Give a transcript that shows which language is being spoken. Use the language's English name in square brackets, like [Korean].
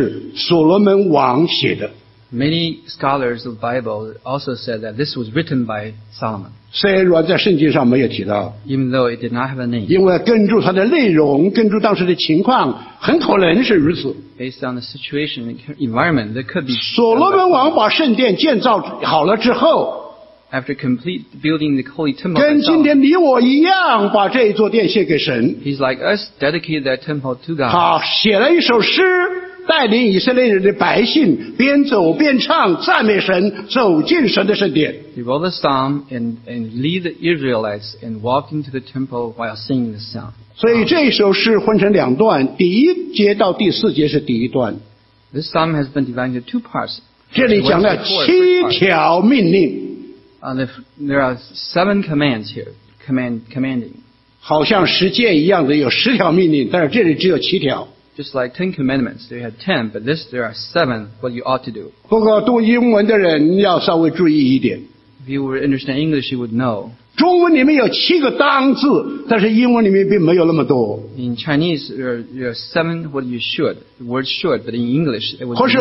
[Chinese] 有很多的圣经学者说这首诗也是所罗门王写的。 [English] Many scholars of the Bible also said that this was written by Solomon. [Chinese] 虽然在圣经上没有提到, [English] even though it did not have a name. [Chinese] 因为根据它的内容, 根据当时的情况, 很可能是如此。 [English] Based on the situation and environment, there could be. [Chinese] 所罗门王把圣殿建造好了之后, [English] After complete building the holy temple, [Chinese] 跟今天你我一样把这一座殿献给神。 [English] He's like us, dedicated that temple to God. [Chinese] 好，写了一首诗。带领以色列人的百姓边走边唱赞美神走进神的圣殿。 [English] He wrote a psalm and lead the Israelites and walk into the temple while singing the song. [Chinese] 所以这首诗分成两段, 第1节到第4节是第一段。 [English] This psalm has been divided into two parts. [Chinese] 这里讲了7条命令。 [English] There are 7 commands here, commanding. [Chinese] 好像十诫一样的有10条命令, 但是这里只有7条。 [English] Just like 10 commandments, there are 10, but this there are 7 what you ought to do. [Chinese] 不过读英文的人要稍微注意一点。 [English] If you were to understand English, you would know. [Chinese] 中文里面有7个当字, 但是英文里面并没有那么多。 [English] In Chinese, there are 7 what you should, the word should, but in English, it was